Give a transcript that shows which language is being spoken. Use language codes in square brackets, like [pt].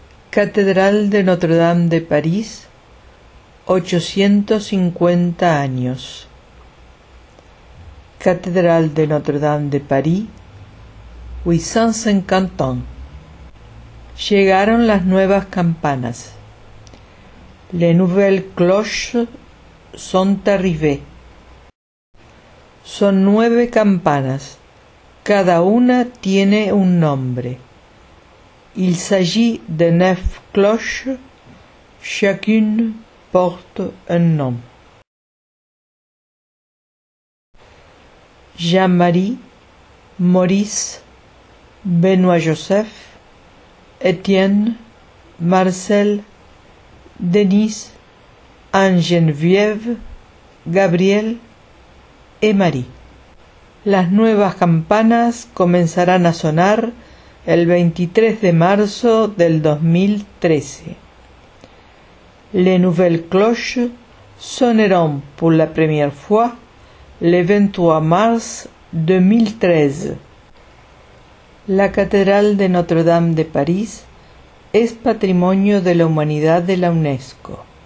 [es] Catedral de Notre Dame de París, 850 años. Catedral de Notre Dame de París, 850 ans. Llegaron las nuevas campanas. [fr] Les nouvelles cloches sont arrivées. [es] Son nueve campanas. Cada una tiene un nombre. [fr] Il s'agit de neuf cloches, chacune porte un nom. Jean-Marie, Maurice, Benoît-Joseph, Étienne, Marcel, Denise, Anne-Geneviève, Gabriel et Marie. [es] Las nuevas campanas comenzarán a sonar el 23 de marzo del 2013. [fr] Les nouvelles cloches sonneront pour la première fois le 23 mars 2013. [es] La Catedral de Notre Dame de París es Patrimonio de la Humanidad de la UNESCO.